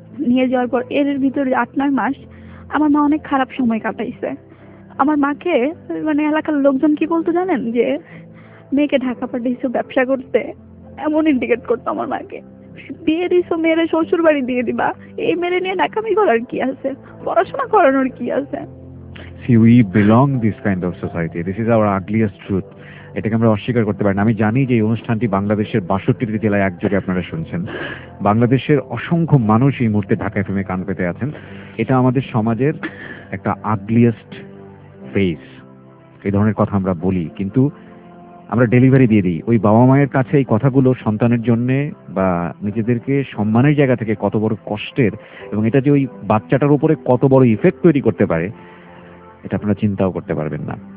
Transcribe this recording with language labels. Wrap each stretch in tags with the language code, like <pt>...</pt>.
<bn>নিয়ে যাওয়ার পর এর ভিতরে 8-9 মাস আমার মা অনেক খারাপ সময় কাটাইছে। আমার মাকে মানে এলাকার লোকজন কি বলতো জানেন, যে মেয়েকে ঢাকা পাঠিয়েছো ব্যবসা করতে, এমন ইন্ডিকেট করতো আমার মাকে, বিয়ে দিছো মেয়েরে শ্বশুর বাড়ি দিয়ে দিবা, এই মেয়ে নিয়ে নাকামি করার কি আছে, পড়াশোনা করানোর কি আছে।</bn> <en>See, we belong this kind of society. This is our ugliest truth.</en> <bn>এটাকে আমরা অস্বীকার করতে পারি না। আমি জানি যে এই অনুষ্ঠানটি বাংলাদেশের 62টি জেলায় একযোগে আপনারা শুনছেন, বাংলাদেশের অসংখ্য মানুষ এই মুহূর্তে ঢাকা এফএম এ কান পেতে আছেন। এটা আমাদের সমাজের একটা আগলিয়েস্ট ফেস, এই ধরনের কথা আমরা বলি, কিন্তু আমরা ডেলিভারি দিয়ে দিই ওই বাবা মায়ের কাছে এই কথাগুলো সন্তানের জন্যে বা নিজেদেরকে সম্মানের জায়গা থেকে কত বড় কষ্টের, এবং এটা যে ওই বাচ্চাটার উপরে কত বড় ইফেক্ট তৈরি করতে পারে এটা আপনারা চিন্তাও করতে পারবেন না।</bn>